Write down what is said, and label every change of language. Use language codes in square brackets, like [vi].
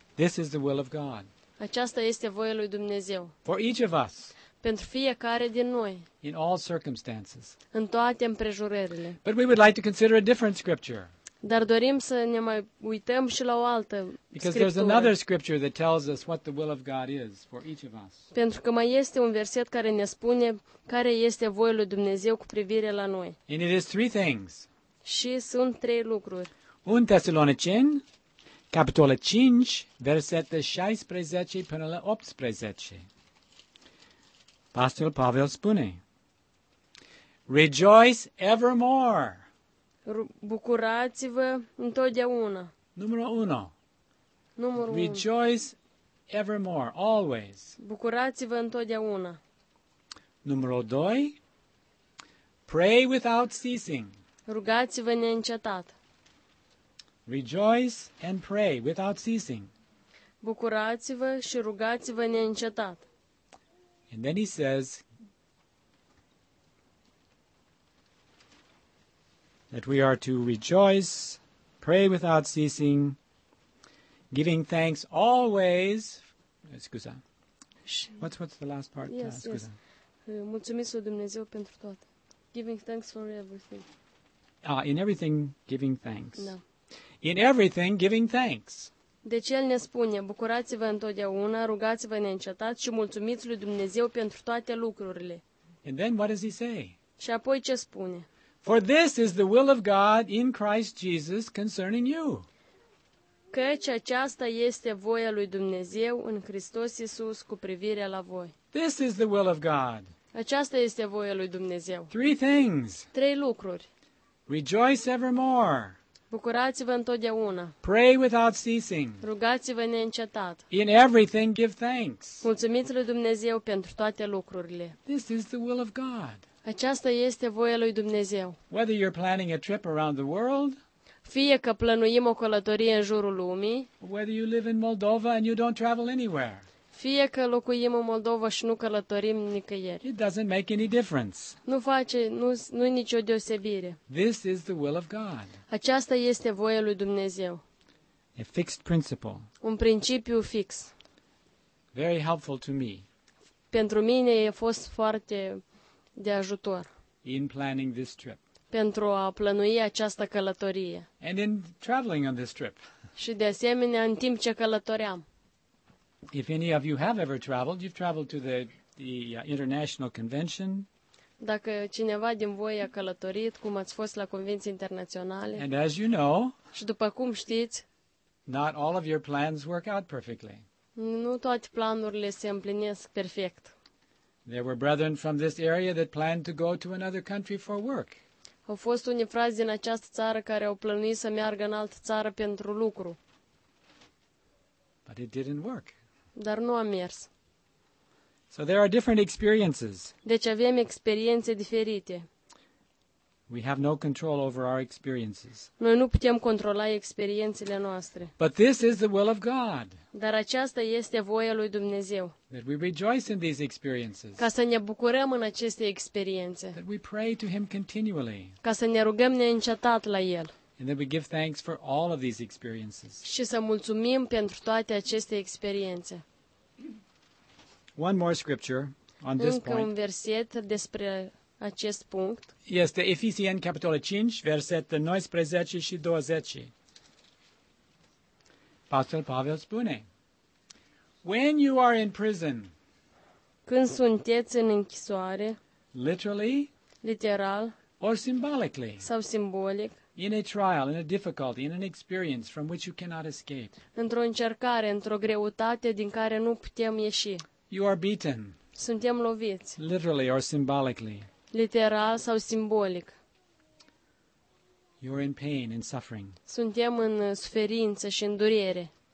[en] This is the will of God. [ro] Aceasta este voia lui Dumnezeu. [en] For each of us. [ro] Pentru fiecare din noi. [en] In all circumstances. [ro] În toate împrejurările. [en] But we would like to consider a different scripture. [ro] Dar dorim să ne mai uităm și la o altă scriptură. [en] Because there's another scripture that tells us what the will of God is for each of us. [ro] Pentru că mai este un verset care ne spune care este voia lui Dumnezeu cu privire la noi. [en] And it is three things. [ro] Și sunt trei lucruri. 1 Tesaloniceni, capitolul 5, versete 16 până la 18. Pastorul Pavel spune, [en] rejoice evermore! [ro] Bucurați-vă întotdeauna. Numărul 1. Numărul 1. [en] Rejoice evermore, always. [ro] Bucurați-vă întotdeauna. Numărul 2. [en] Pray without ceasing. [ro] Rugați-vă neîncetat. [en] Rejoice and pray without ceasing. [ro] Bucurați-vă și rugați-vă neîncetat. [en] And then he says that we are to rejoice, pray without ceasing, giving thanks always. [ro] Scuza. [en] What's the last part? Yes, yes. [ro] Mulțumesc lui Dumnezeu pentru tot. [en] Giving thanks for everything. In everything, giving thanks. No. In everything, giving thanks. [ro] Deci el ne spune, bucurați-vă întotdeauna, rugați-vă neîncetat și mulțumiți lui Dumnezeu pentru toate lucrurile. [en] And then what does he say? [ro] Și apoi ce spune? [en] For this is the will of God in Christ Jesus concerning you. [ro] Căci aceasta este voia lui Dumnezeu în Hristos Iisus cu privire la voi. [en] This is the will of God. [ro] Aceasta este voia lui Dumnezeu. [en] Three things. [ro] Trei lucruri. [en] Rejoice evermore. [ro] Bucurați-vă întotdeauna. [en] Pray without ceasing. [ro] Rugați-vă neîncetat. [en] In everything give thanks. [ro] Mulțumiți lui Dumnezeu pentru toate lucrurile. [en] This is the will of God. [ro] Aceasta este voia lui Dumnezeu. [en] Whether you're planning a trip around the world, [ro] fie că plănuim o călătorie în jurul lumii, [en] whether you live in Moldova and you don't travel anywhere, [ro] fie că locuim în Moldova și nu călătorim nicăieri. [en] It doesn't make any difference. [ro] Nu face, nu e nicio deosebire. [en] This is the will of God. [ro] Aceasta este voia lui Dumnezeu. [en] A fixed principle. [ro] Un principiu fix. [en] Very helpful to me. [ro] Pentru mine a fost foarte de ajutor. [en] In planning this trip. [ro] Pentru a planui această călătorie. [en] And in traveling on this trip. [ro] Și de asemenea în timp ce călătoream. [en] If any of you have ever traveled, you've traveled to the international convention. [ro] Dacă cineva din voi a călătorit, cum ați fost la convenții internaționale, [en] and as you know, [ro] și după cum știți, [en] not all of your plans work out perfectly. [ro] Nu toate planurile se împlinesc perfect. [en] There were brethren from this area that planned to go to another country for work. [ro] Au fost unii frați din această țară care au plănuit să meargă în altă țară pentru lucru. [en] But it didn't work. [ro] Dar nu a mers. [en] So there are different experiences. [ro] Deci avem experiențe diferite. [en] We have no control over our experiences. [ro] Noi nu putem controla experiențele noastre. [en] But this is the will of God. [ro] Dar aceasta este voia lui Dumnezeu. [en] That we rejoice in these experiences. [ro] Ca să ne bucurăm în aceste experiențe. [en] That we pray to him continually. [ro] Ca să ne rugăm neîncetat la el. [en] And that we give thanks for all of these experiences. [ro] Și să mulțumim pentru toate aceste experiențe. [en] One more scripture on this point. [ro] Încă un verset despre acest punct. Este Efesieni capitolul 5, versetele 19 și 20. Pastorul Pavel spune: [en] When you are in prison. [ro] Când sunteți în închisoare. [en] Literally. [ro] Literal. [en] Or symbolically. [ro] Sau simbolic. [en] In a trial, in a difficulty, in an experience from which you cannot escape. [ro] Într-o încercare, într-o greutate din care nu putem ieși. [en] You are beaten. [ro] Suntem loviți. [en] Literally or symbolically. [ro] Literal sau simbolic. [en] You are in pain and suffering. [ro] Suntem în suferință și în durere.